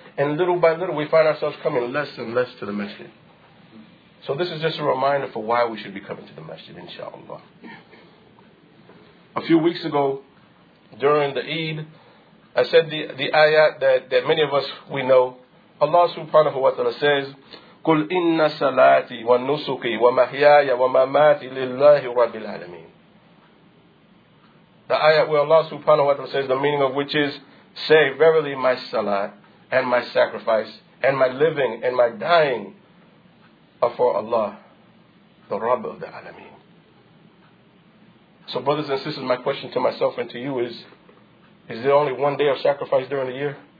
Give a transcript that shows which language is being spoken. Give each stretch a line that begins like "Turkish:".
English: And little by little we find ourselves coming less and less to the masjid. So this is just a reminder for why we should be coming to the masjid, inshallah. A few weeks ago, during the Eid, I said the ayat that many of us, we know. Allah subhanahu wa ta'ala says,
Arabic: قُلْ إِنَّ صَلَاتِي وَنُسُكِي وَمَحْيَايَ وَمَمَاتِ لِلَّهِ رَبِّ الْعَالَمِينَ.
English: The ayat where Allah subhanahu wa ta'ala says, the meaning of which is, say, verily my salat and my sacrifice and my living and my dying are for Allah, the Rabb of the Alameen. So brothers and sisters, my question to myself and to you is there only one day of sacrifice during the year?